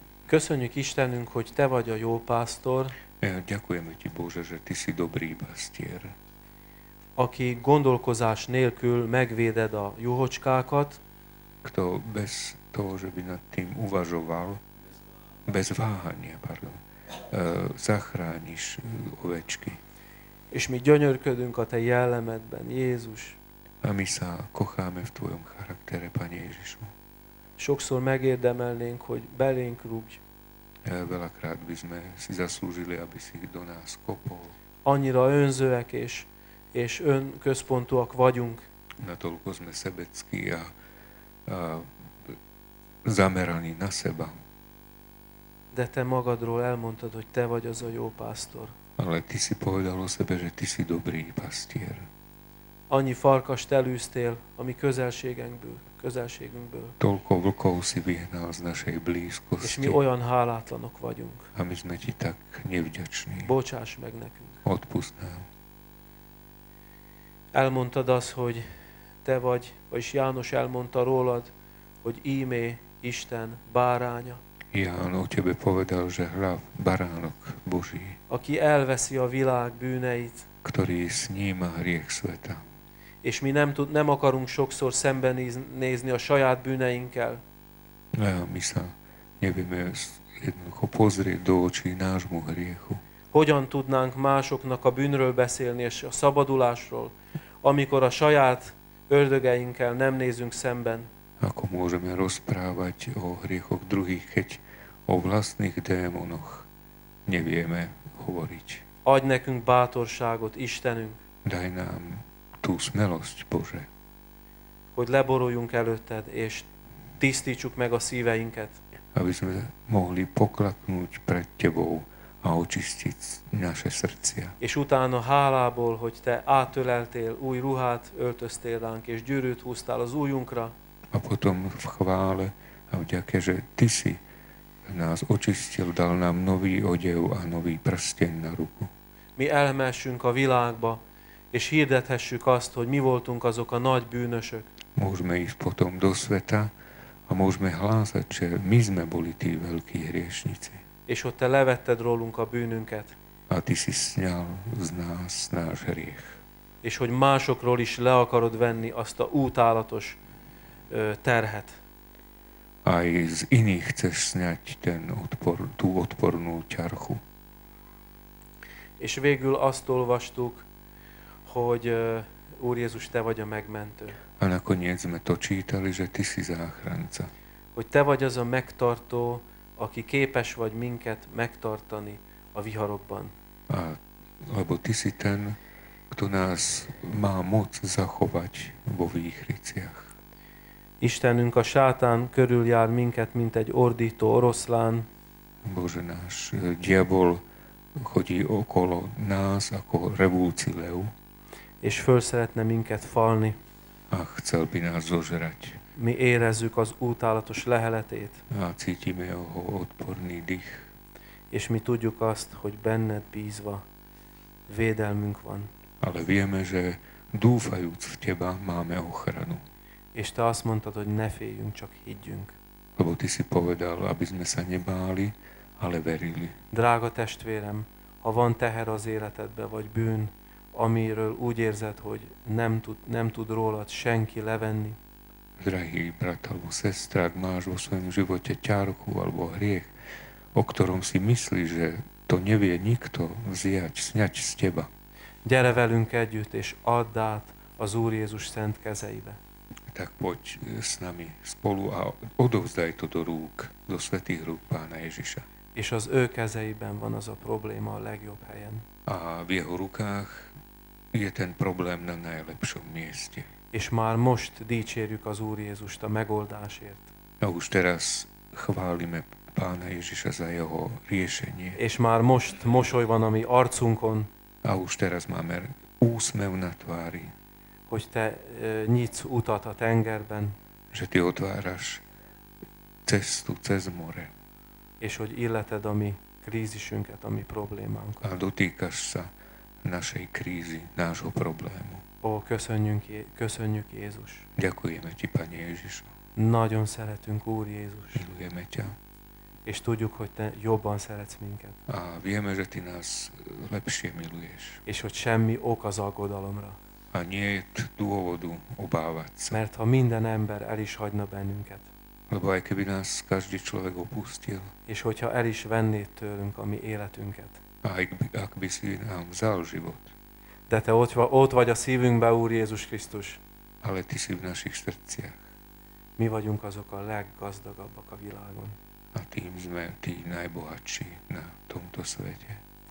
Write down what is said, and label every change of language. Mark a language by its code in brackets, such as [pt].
[hu] Köszönjük Istenünk, hogy te vagy a jó pásztor. [sk] Ďakujeme ti, Bože, že ty si dobrý pastier. [hu] Aki gondolkozás nélkül megvéded a juhocskákat. [sk] Kto bez toho, že by nad tým uvažoval, bez váhania, pardon, zachrániš ovečky. [hu] És mi gyönyörködünk a te jellemedben, Jézus. [sk] A mi sa kocháme v tvojom charaktere, Pane Ježišu. [hu] Sokszor megérdemelnénk, hogy belénk rúgj. [sk] Veľakrát by sme si zaslúžili, aby si do nás kopol. [hu] Annyira önzőek és önközpontúak vagyunk. [sk] Natoľko sme sebeckí a zameraní na seba. [hu] De te magadról elmondtad, hogy te vagy az a jó pásztor. [sk] Ale ty si povedal o sebe, že ty si dobrý pastier. [hu] Annyi farkast elűztél, ami közelségünkből. [sk] Toľko vlkov si vyhnal z našej blízkosti. [hu] És mi olyan hálátlanok vagyunk. [sk] A my sme ti tak nevďační. [hu] Bocsáss meg nekünk. [sk] Odpusť nám. [hu] Elmondtad azt, hogy te vagy, vagyis János elmondta rólad, hogy ímé Isten báránya. [sk] Ján o tebe povedal, že hľa baránok Boží. [hu] Aki elveszi a világ bűneit. [sk] Ktorý sníma hriech sveta. [hu] És mi nem akarunk sokszor szembenézni a saját bűneinkkel. [sk] Ne, mi sa nevieme jednoducho pozrieť do očí nášmu hriechu. [hu] Hogyan tudnánk másoknak a bűnről beszélni és a szabadulásról, amikor a saját ördögeinkkel nem nézünk szemben. [sk] Ako môžeme rozprávať o hriechoch druhých, keď o vlastných démonoch nevieme hovoriť. [hu] Adj nekünk bátorságot, Istenünk. [sk] Daj nám tú smelosť, Bože. [hu] Hogy leboruljunk előtted, és tisztítsuk meg a szíveinket. [sk] Aby sme mohli poklaknúť pred tebou a očistiť naše srdcia. [hu] És utána hálából, hogy te átöleltél, új ruhát öltöztél ránk, és gyűrűt húztál az újunkra. [sk] A potom v chvále a vďake, že ty si nás očistil, dal nám nový odev a nový prsteň na ruku. [hu] Mi elmessünk a világba, és hirdethessük azt, hogy mi voltunk azok a nagy bűnösök. [sk] Môžeme ísť potom do sveta a môžeme hlásať, že my sme boli tí veľkí hriešnici. [hu] És ott te levetted rólunk a bűnünket. [sk] A ty si sňal z nás náš hriech. [hu] És hogy másokról is le akarod venni azt a útálatos terhet. [sk] Aj z iných chceš sňať ten odpor, tú odpornú ťarchu. [hu] És végül azt olvastuk, hogy Úr Jézus, te vagy a megmentő. [sk] A nakoniec sme to čítali, že ty si záchranca. [hu] Hogy te vagy az a megtartó, aki képes vagy minket megtartani a viharokban. [sk] A, lebo ty si ten, kto nás má moc zachovať vo výchriciach. [hu] Istenünk, a sátán körül jár minket, mint egy ordító oroszlán. [sk] Bože náš, diabol chodí okolo nás, ako revúci leu. [hu] És föl szeretne minket falni. [sk] A chcel by nás zožrať. [hu] Mi érezzük az útálatos leheletét. [sk] A cítime jeho odporný dých. [hu] És mi tudjuk azt, hogy benned bízva védelmünk van. [sk] Ale vieme, že dúfajúc v teba máme ochranu. [hu] És te azt mondtad, hogy ne féljünk, csak higgyünk. [sk] Lebo ty si povedal, aby sme sa nebáli, ale verili. [hu] Drága testvérem, ha van teher az életedbe, vagy bűn, amiről úgy érzed, hogy nem tud rólad senki levenni. [sk] Drahý brat alebo sestra, ak máš vo svojom živote ťarchu alebo hriech, o ktorom si myslíš, že to nevie nikto vziať, sňať z teba. [hu] Gyere velünk együtt, és add át az Úr Jézus szent kezeibe. [sk] Tak poď s nami spolu a odovzdaj to do rúk, do svätých rúk Pána Ježiša. [hu] És az ő kezeiben van az a probléma a legjobb helyen. [sk] A v jeho rukách je ten problém na najlepšom mieste. [hu] És már most dicsérjük az Úr Jézust a megoldásért. [sk] A už teraz chválime Pána Ježiša za jeho riešenie. [hu] És már most mosoly van a mi arcunkon. [sk] A už teraz máme úsmev na tvári. [hu] Hogy te nyitsz utat a tengerben. [sk] Že ty otváraš cestu cez more. [hu] És hogy illeted a mi krízisünket, a mi problémánkat. [sk] A dotýkaš sa našej krízy, nášho problému. [hu] Ó, köszönjük Jézus. [sk] Ďakujeme ti, Pane Ježišu. [hu] Nagyon szeretünk, Úr Jézus. [sk] Milujeme ťa. [hu] És tudjuk, hogy te jobban szeretsz minket. [sk] A vieme, že ty nás lepšie miluješ. [hu] És hogy semmi ok az aggodalomra. [sk] A nie je dôvodu obávať sa. [hu] Mert ha minden ember el is hagyna bennünket. [sk] Lebo aj keby nás každý človek opustil. [hu] És hogyha el is vennéd tőlünk a mi életünket. [sk] Ak by si nám vzal život. [hu] De te ott vagy a szívünkben, Úr Jézus Krisztus. [sk] Ale ty si v našich srdciach. [hu] Mi vagyunk azok a leggazdagabbak a világon. [sk] A tým sme tí najbohatší na tomto svete.